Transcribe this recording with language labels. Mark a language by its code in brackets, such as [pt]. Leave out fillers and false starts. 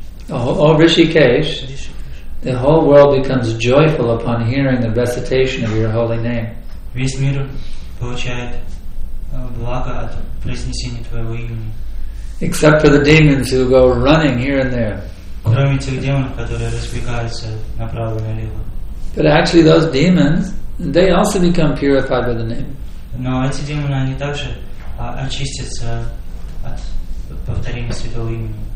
[en] O Rishikesh, the whole world becomes joyful upon hearing the recitation of your holy name. [ru] Весь мир получает благо от произнесения твоего имени. [en] Except for the demons who go running here and there. [ru] Кроме тех демонов, которые разбегаются направо и налево. [en] But actually, those demons, they also become purified by the name. [ru] Но эти демоны, они также очистятся от повторения святого имени.